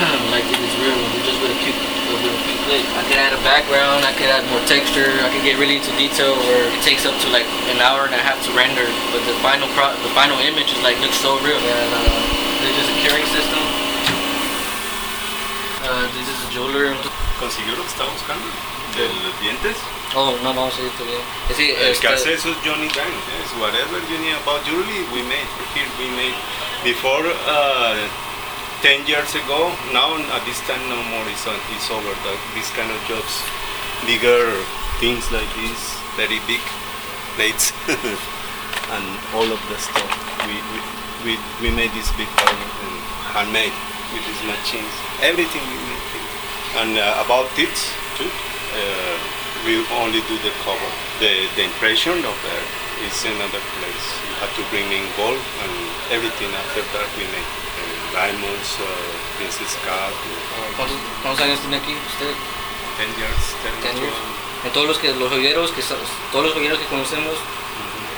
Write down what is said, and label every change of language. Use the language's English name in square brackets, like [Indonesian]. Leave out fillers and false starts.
[English] Like it is real, just with a few clicks. I could add a background, I could add more texture, I could get really into detail where it takes up to like an hour and a half to render, but the final image is like, looks so real. And this is a curing system. This is a jeweler. [Spanish] ¿Consiguió lo que está buscando? ¿El dientes? Oh, no, vamos a ir todavía. Es decir, el que hace eso es Johnny Dang. Es [English] whatever you need about jewelry, we made. Here we made. Before, 10 years ago, now at this time no more, it's over. These kind of jobs, bigger things like this, very big plates, and all of the stuff. We made this big part and handmade with these machines. Everything we made. And about it, too. We only do the cover. The impression of that is in another place. You have to bring in gold and everything after that we make. Diamonds, princess card. [Spanish] ¿Cuántos años tiene aquí usted? [English] 10 years. 10 years. [Spanish] En todos los joyeros que conocemos, mm-hmm.